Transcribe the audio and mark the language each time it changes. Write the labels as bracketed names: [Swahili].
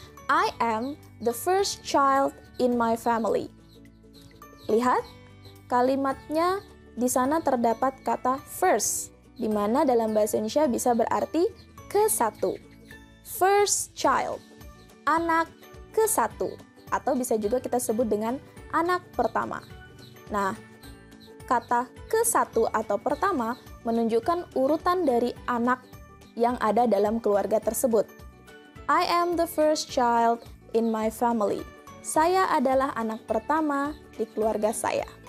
[English] I am the first child in my family. [Indonesian] Lihat, kalimatnya di sana terdapat kata first, di mana dalam bahasa Indonesia bisa berarti ke-1. [English] First child, [Indonesian] anak ke-1, atau bisa juga kita sebut dengan anak pertama. Nah, kata ke-1 atau pertama menunjukkan urutan dari anak yang ada dalam keluarga tersebut. [English] I am the first child in my family. [Indonesian] Saya adalah anak pertama di keluarga saya.